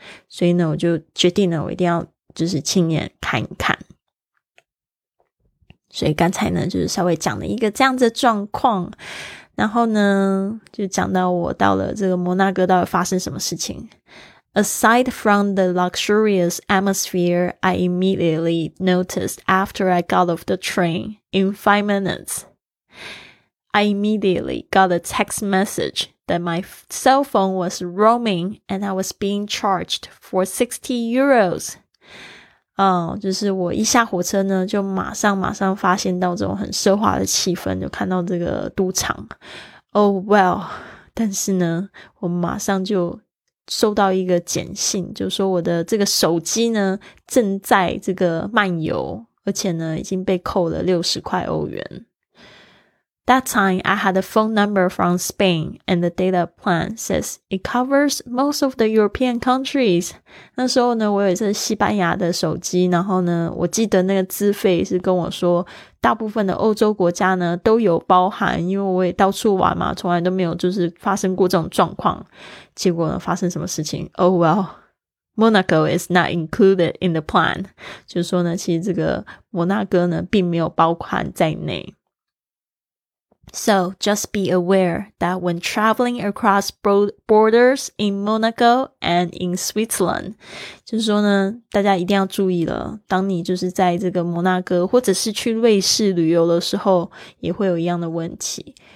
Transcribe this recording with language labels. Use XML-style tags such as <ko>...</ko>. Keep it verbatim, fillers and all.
<zh>所以呢我就决定了我一定要就是亲眼看一看。所以刚才呢就是稍微讲了一个这样子的状况，然后呢就讲到我到了这个摩纳哥到底发生什么事情。</zh> <en>Aside from the luxurious atmosphere I immediately noticed after I got off the train in five minutes, I immediately got a text message that my cell phone was roaming and I was being charged for sixty euros.</en> <zh>哦、oh, 就是我一下火车呢就马上马上发现到这种很奢华的气氛，就看到这个赌场。 Oh well, 但是呢我马上就收到一个简讯，就说我的这个手机呢正在这个漫游，而且呢已经被扣了六十块欧元。</zh> <en>That time I had a phone number from Spain and the data plan says it covers most of the European countries.</en> <zh>那时候呢我有一次西班牙的手机，然后呢我记得那个资费是跟我说大部分的欧洲国家呢都有包含，因为我也到处玩嘛，从来都没有就是发生过这种状况。结果呢发生什么事情？</zh> <en>Oh well, Monaco is not included in the plan.</en> <zh>就是说呢其实这个摩纳哥呢并没有包含在内。</zh> <en>So just be aware that when traveling across borders in Monaco and in Switzerland，</en> <zh>就是说呢大家一定要注意了，当你就是在这个摩纳哥或者是去瑞士旅游的时候也会有一样的问题。</zh>